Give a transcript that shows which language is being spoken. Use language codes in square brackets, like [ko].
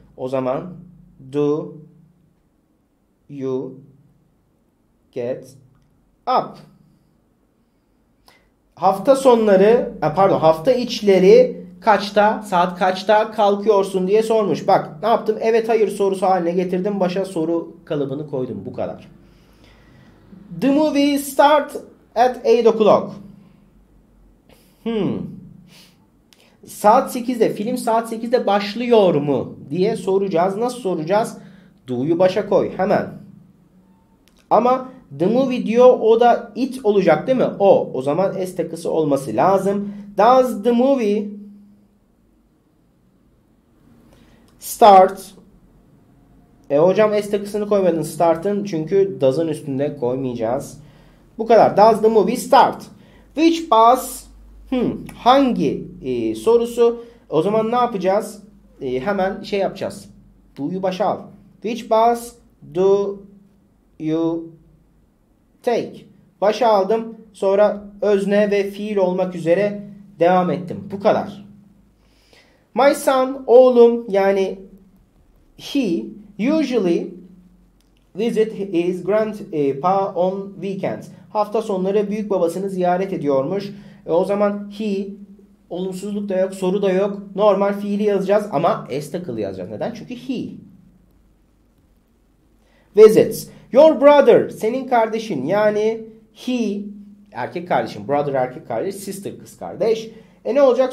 [tr] O zaman [en] do you get up? [tr] Hafta sonları, pardon, hafta içleri kaçta, saat kaçta kalkıyorsun diye sormuş. Bak ne yaptım? Evet hayır sorusu haline getirdim. Başa soru kalıbını koydum. Bu kadar. [en] The movie start at 8 o'clock. [tr] Saat 8'de, film saat 8'de başlıyor mu diye soracağız. Nasıl soracağız? Do'yu başa koy hemen. Ama the movie diyor, o da it olacak değil mi? O zaman S takısı olması lazım. [en] Does the movie start? [tr] Hocam S takısını koymadın start'ın, çünkü does'ın üstünde koymayacağız. Bu kadar. [en] Does the movie start? [tr] Which bus? Hangi sorusu? O zaman ne yapacağız? Hemen şey yapacağız. Do'yu başa al. [en] Which bus do you take? [tr] Başa aldım. Sonra özne ve fiil olmak üzere devam ettim. Bu kadar. [en] My son, [tr] oğlum, yani [en] he usually visit his grandpa on weekends. [tr] Hafta sonları büyük babasını ziyaret ediyormuş. O zaman he, olumsuzluk da yok, soru da yok. Normal fiili yazacağız ama s takılı yazacağız. Neden? Çünkü he visits. Your brother, senin kardeşin, yani he, erkek kardeşin, brother erkek kardeş, sister kız kardeş. Ne olacak?